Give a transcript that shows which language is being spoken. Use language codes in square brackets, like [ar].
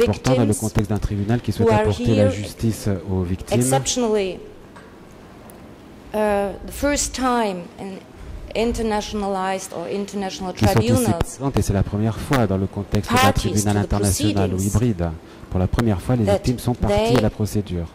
[fr] important dans le contexte d'un tribunal qui souhaite apporter la justice aux victimes. [en] Exceptionally, the first time in internationalized or international tribunals. [fr] Et c'est la première fois dans le contexte d'un tribunal international ou hybride. Pour la première fois, les victimes sont parties à la procédure.